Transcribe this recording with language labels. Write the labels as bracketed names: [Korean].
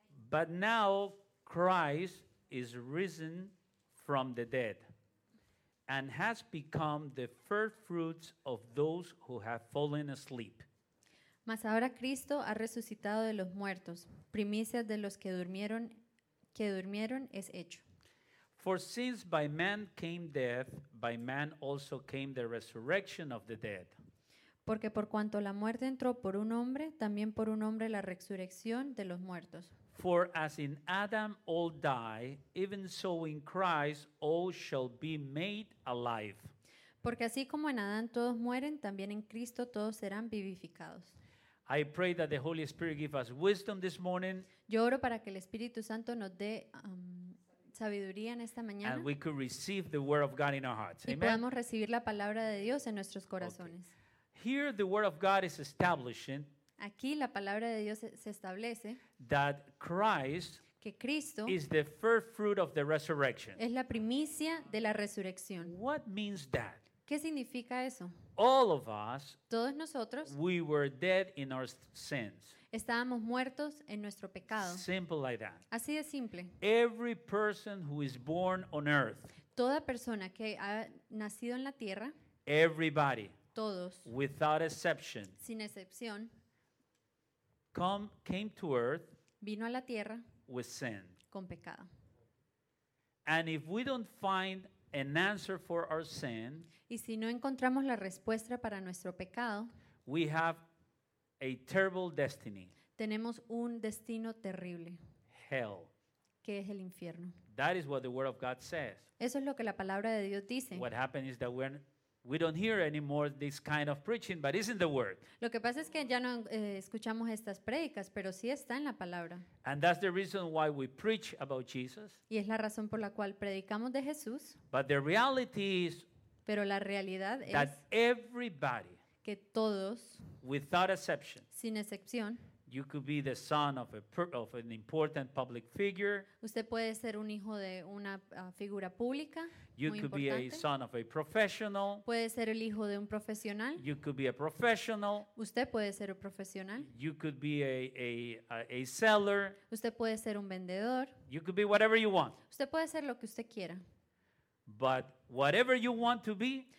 [English] But now Christ is risen from the dead and has become the first fruits of those who have fallen asleep. [Spanish] Mas ahora Cristo ha resucitado de los muertos, primicias de los que durmieron es hecho. [English] For since by man came death, by man also came the resurrection of the dead. [Spanish] Porque por cuanto la muerte entró por un hombre, también por un hombre la resurrección de los muertos. [English] For as in Adam all die, even so in Christ all shall be made alive. [Spanish] Porque así como en Adán todos mueren, también en Cristo todos serán vivificados. [English] I pray that the Holy Spirit give us wisdom this morning. [Spanish] Yo oro para que el Espíritu Santo nos dé sabiduría en esta mañana. [English] And we could receive the word of God in our hearts. [Spanish] Y podamos recibir la palabra de Dios en nuestros corazones. [English] Okay. Here the word of God is establishing. [Spanish] Aquí la palabra de Dios se establece. [English] That Christ. [Spanish] Que Cristo. [English] Is the first fruit of the resurrection. [Spanish] Es la primicia de la resurrección. [English] What means that? [Spanish] ¿Qué significa eso? [English] All of us. [Spanish] Todos nosotros. [English] We were dead in our sins. [Spanish] Estábamos muertos en nuestro pecado. [English] Simple like that. [Spanish] Así de simple. [English] Every person who is born on earth. [Spanish] Toda persona que ha nacido en la tierra. [English] Everybody. [Spanish] Todos, [English] without exception, [Spanish] sin excepción, [English] came to earth, [Spanish] vino a la tierra, [English] with sin, [Spanish] con pecado. [English] And if we don't find an answer for our sin, [Spanish] y si no encontramos la respuesta para nuestro pecado, [English] we have a terrible destiny. [Spanish] Tenemos un destino terrible. [English] Hell. [Spanish] Que es el infierno. [English] That is what the word of God says. [Spanish] Eso es lo que la palabra de Dios dice. [English] What happened is that we don't hear anymore this kind of preaching, but it's in the word. [Spanish] Lo que pasa es que ya no escuchamos estas prédicas, pero sí está en la palabra. [English] And that's the reason why we preach about Jesus. [Spanish] Y es la razón por la cual predicamos de Jesús. [English] But the reality is, [Spanish] pero la realidad es [English] that everybody, [Spanish] que todos, [English] without exception, [Spanish] sin excepción, [English] you could be the son of an important public figure. [Spanish] Usted puede ser un hijo de una figura pública. [English] You could be a son of a professional. [Spanish] Puede ser el hijo de un profesional. [English] You could be a professional. [Spanish] Usted puede ser un profesional. [English] You could be a seller. [Spanish] Usted puede ser un vendedor. [English] You could be whatever you want. [Spanish] Usted puede ser lo que usted quiera. [English] But whatever you want to be,